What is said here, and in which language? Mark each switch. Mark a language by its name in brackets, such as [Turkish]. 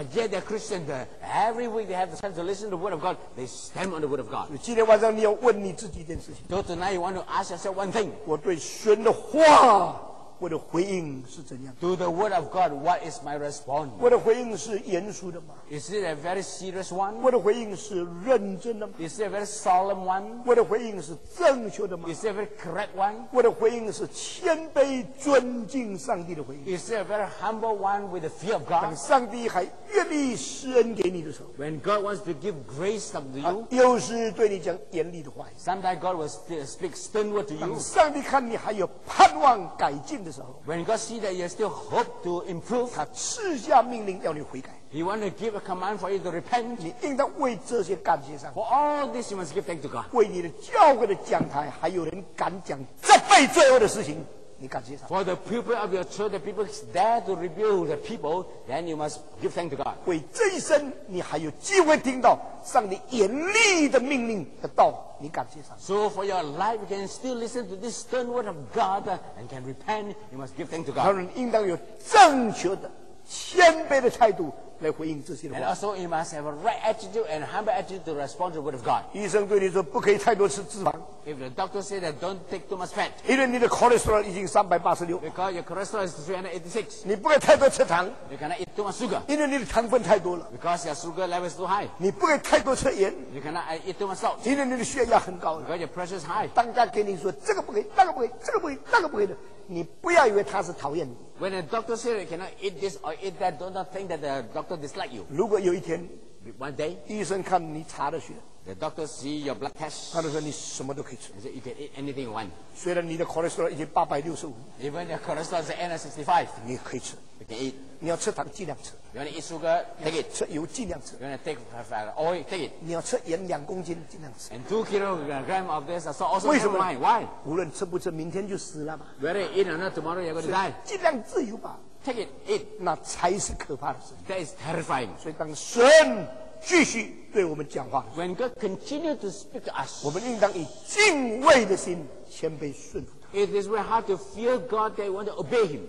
[English] But yet they're Christian. Every week they have the chance to listen to the word of God. They stand on the word of God. [Chinese] 今天晚上你要问你自己一件事情。 [English] So tonight you want to ask yourself one thing. [Chinese] 我对神的话，我的回应是怎样 [English] ？To the word of God, what is my response? [Chinese] 我的回应是严肃的吗 [English] ？Is it a very serious one? [Chinese] 我的回应是认真的吗 [English] ？Is it a very solemn one? [Chinese] 我的回应是正确的吗 [English] ？Is it a very correct one? [Chinese] 我的回应是谦卑尊敬上帝的回应 [English] ？Is it a very humble one with the fear of God? [Chinese] 当上帝还愿意施恩给你的时候 [English] ，When God wants to give grace to you, [Chinese] 又是对你讲严厉的话 [English] ，Sometimes God will speak stern word to you. [Chinese] 当上帝看你还有盼望改进的。 [English] When God sees that you still hope to improve, [Chinese] 他赐下命令要你悔改。 [English] He want to give a command for you to repent. [Chinese] 你应当为这些感谢上帝。 [English] For all this, you must give thanks to God. [Chinese] 为你的教会的讲台还有人敢讲这辈子最恶的事情，你感谢上帝。 [English] For the people of your church, the people dare to rebuke the people, then you must give thanks to God. [Chinese] 为这一生，你还有机会听到上帝严厉的命令的道。 [English] So for your life, you can still listen to this stern word of God and can repent. You must give thanks to God. [Chinese] 当然，应当有正确的、谦卑的态度来回应这些的话。 [English] And also you must have a right attitude and humble attitude to respond to the word of God. [Chinese] 医生对你说不可以太多吃脂肪。 [English] If the doctor says that don't take too much fat. [Chinese] 因为你的 cholesterol 已经386。 [English] Because your cholesterol is 386. [Chinese] 你不可以太多吃糖。 [English] You cannot eat too much sugar. [Chinese] 因为你的糖分太多了。 [English] Because your sugar level is too high. [Chinese] 你不可以太多吃盐。 [English] You cannot eat too much salt. [Chinese] 因为你的血压很高。 [English] Because your pressure is high. [Chinese] 当他给你说这个不可以，那个不可以，这个不可以，那个不可以的，你不要以为他是讨厌你。 [English] When a doctor says you cannot eat this or eat that, do not think that the doctor dislike you. [Chinese] 如果有一天 [English] one day, [Chinese] 医生看你查的血 [English] the doctor see your blood test. [Chinese] 他就说你什么都可以吃 [English] He said you can eat anything you want. [Chinese] 虽然你的 cholesterol 已经865 [English] Even your cholesterol is N65 [Chinese] 你可以吃 [English] You can eat. [Chinese] 你要吃糖尽量吃 [English] You want to eat sugar, take it. [Chinese] 吃油尽量吃 [English] You want to take oil, take it. [Chinese] 你要吃盐2公斤尽量吃 [English] And 2 kilograms of this salt also come from mine. Why? [Chinese] 无论吃不吃明天就死了嘛 [English] Whether you eat or not, tomorrow you're going to die. [Chinese] 尽量自由吧 [English] Take it, eat. [Chinese] 那才是可怕的事 [English] That is terrifying. [Chinese] 所以当神继续对我们讲话 [English] When God continues to speak to us, [Chinese] 我们应当以敬畏的心谦卑顺服 [English] It is very hard to fear God that you want to obey Him.